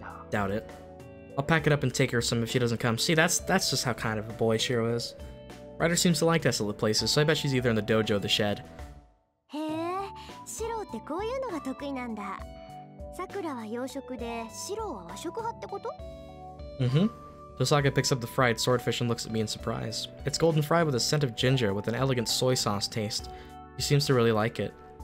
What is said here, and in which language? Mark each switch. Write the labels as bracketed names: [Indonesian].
[English] Doubt it. I'll pack it up and take her some if she doesn't come. See, that's just how kind of a boy Shiro is. Ryder seems to like desolate places, so I bet she's either in the dojo or the shed. [Japanese] Hey, Shiro ってこういうのが得意なんだ。さくらは洋食で、シロは和食派ってこと？ Mm-hmm. [English] Tosaka picks up the fried swordfish and looks at me in surprise. It's golden fried with a scent of ginger with an elegant soy sauce taste. He seems to really like it.